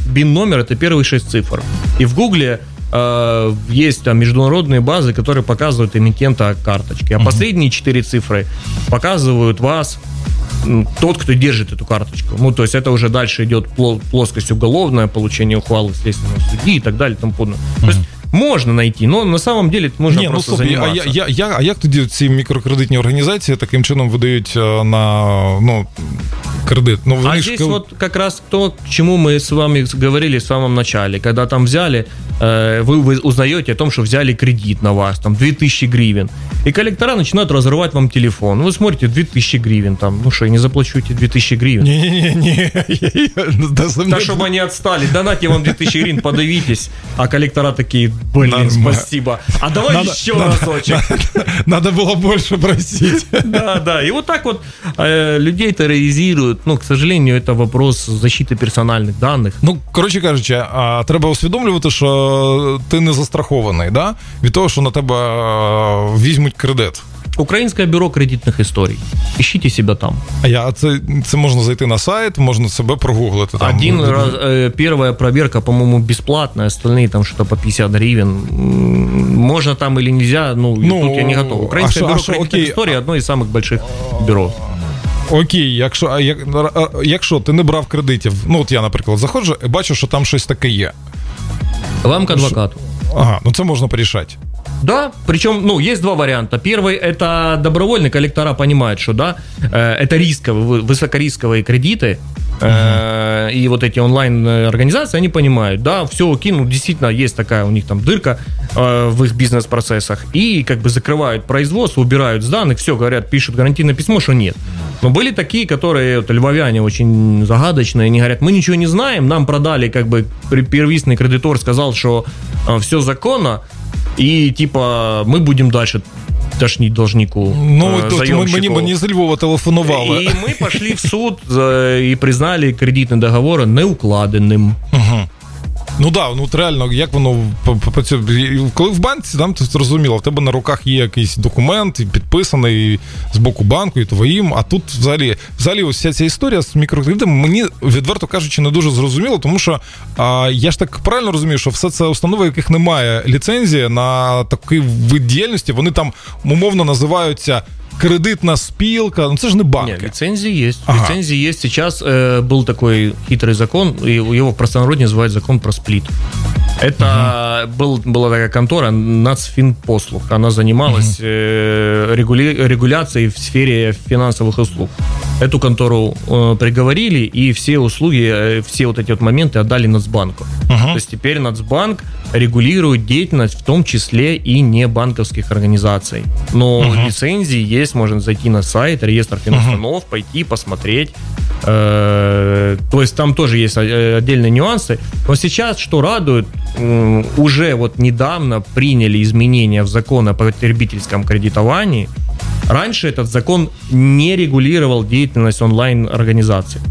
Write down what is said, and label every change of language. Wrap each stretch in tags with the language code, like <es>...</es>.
<ru>Бин-номер — это первые 6 цифр. И в Гугле есть там международные базы, которые показывают эмитента карточки. А uh-huh. последние 4 цифры показывают вас, тот, кто держит эту карточку. Ну, то есть это уже дальше идет плоскость уголовная, получение ухвалы следственного судьи и так далее и тому подобное. Uh-huh. То есть</ru> <uk>можна знайти,</uk> <ru>но на самом деле</ru> <uk>це можна просто займатися. А як тоді ці мікрокредитні організації таким чином видають на, ну, кредит? Ну,</uk> <ru>а здесь вот как раз то, к чему мы с вами говорили в самом начале. Когда там взяли, вы узнаете о том, что взяли кредит на вас, там, 2000 гривен. И коллектора начинают разрывать вам телефон. Вы смотрите, 2000 гривен там. Ну что, я не заплачу эти 2000 гривен? Не-не-не. Да, чтобы они отстали. Донатьте вам 2000 гривен, подавитесь. А коллектора такие: блин, нормально. Спасибо. А давай надо, еще надо, разочек. Надо было больше просить. Да-да. И вот так вот людей терроризируют. Ну, к сожалению, это вопрос защиты персональных данных.</ru> <uk>Ну, короче кажучи, треба усвідомлювати, що ти не застрахований, да? Від того, що на тебе візьмуть кредит. Українське бюро кредитних історій.</uk> <ru>Ищите себе там.</ru> <uk>Це можна зайти на сайт, можна себе прогуглити там.</uk> <ru>Один раз, первая проверка,</ru> <uk>по-моєму,</uk> <ru>бесплатна, остальные там что-то по 50 гривен.</ru> <uk>Можна</uk> <ru>там или нельзя, ну тут я не готов.</ru> <uk>Українське бюро кредитних історій одно із</uk> <ru>самых больших</ru> <uk>бюро. Окей, якщо ти не брав кредитів, ну от я, наприклад, заходжу і бачу, що там щось таке є.</uk> <ru>Вам к адвокату.</ru> <uk>Ага, ну це можна порішати.</uk> <ru>Да, причем, ну, есть два варианта. Первый, это добровольный, коллектора понимают, что, да, это рисковые, высокорисковые кредиты, и вот эти онлайн-организации, они понимают, да, все окей, ну, действительно, есть такая у них там дырка в их бизнес-процессах, и как бы закрывают производство, убирают с данных, все, говорят, пишут гарантийное письмо, что нет. Но были такие, которые, вот, львовяне очень загадочные, они говорят, мы ничего не знаем, нам продали, как бы, первичный кредитор сказал, что все законно, и типа мы будем дальше тошнить должнику. Ну, заемщику. То, мы не из Львова телефоновали. И мы пошли в суд и признали кредитный договор неукладенным. Угу.</ru> <uk>Ну да, ну реально, як воно працює. Коли в банці, там то зрозуміло, в тебе на руках є якийсь документ підписаний з боку банку і твоїм, а тут взагалі ось вся ця історія з мікрокредитами, мені, відверто кажучи, не дуже зрозуміло, тому що я ж так правильно розумію, що все це установи, яких немає ліцензії на такий вид діяльності, вони там умовно називаються кредитна спілка, ну це ж не банки. Ні, ліцензії є. Ага. Ліцензії є. Зараз був такий хитрий закон, і його в простонародні називають закон про спліт. Це була така контора Нацфінпослуг. Вона займалася регуляцією в сфері фінансових услуг. Цю контору приговорили, і всі услуги, всі</uk> <ru>вот эти вот</ru> <uk>моменти віддали Нацбанку. Тобто тепер Нацбанк регулює діяльність, в тому числі і не банківських організацій. Но ліцензії є, можна зайти на сайт, реєстр фінустанов,</uk> <ru>пойти, посмотреть. То есть там тоже есть отдельные нюансы. Но сейчас, что радует, уже вот недавно приняли изменения в закон о потребительском кредитовании. Раньше этот закон не регулировал деятельность онлайн-организации.</ru>